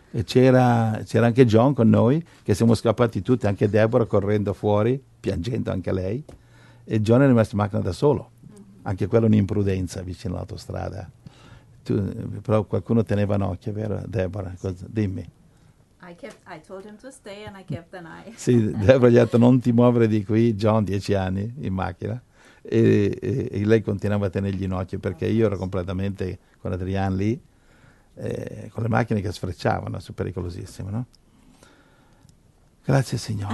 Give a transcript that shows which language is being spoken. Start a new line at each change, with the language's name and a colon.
Italian: E c'era anche John con noi, che siamo scappati tutti, anche Deborah correndo fuori piangendo anche lei. E John è rimasto in macchina da solo, anche quello un'imprudenza vicino all'autostrada. Però qualcuno teneva un occhio, vero Deborah? Dimmi.
English: I told him to stay and I kept an eye.
Italian: Sì, Deborah gli ha detto non ti muovere di qui, John, 10 anni in macchina. E lei continuava a tenergli in occhio perché io ero completamente con Adrian lì, con le macchine che sfrecciavano, sono pericolosissime, no? Grazie Signore.